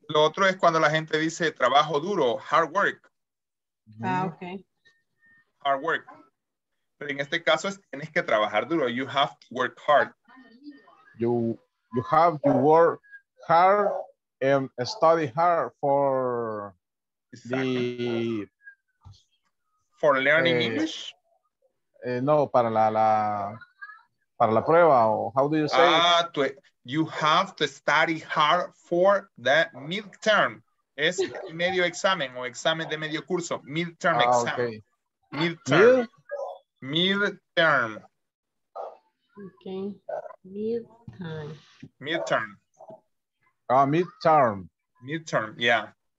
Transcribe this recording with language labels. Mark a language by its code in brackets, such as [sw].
[es] Lo otro es cuando la gente dice trabajo duro, [en] hard work. Ah, okay. Hard work. [es] Pero en este caso es tienes que trabajar duro. [en] You have to work hard. You have to work hard and study hard for exactly. The for learning English? [es] No, para la prueba o [en] how do you say? You have to study hard for the midterm. [es] Es medio examen o examen de medio curso. [en] Midterm exam. Okay. Midterm. Okay. Midterm. Midterm, yeah.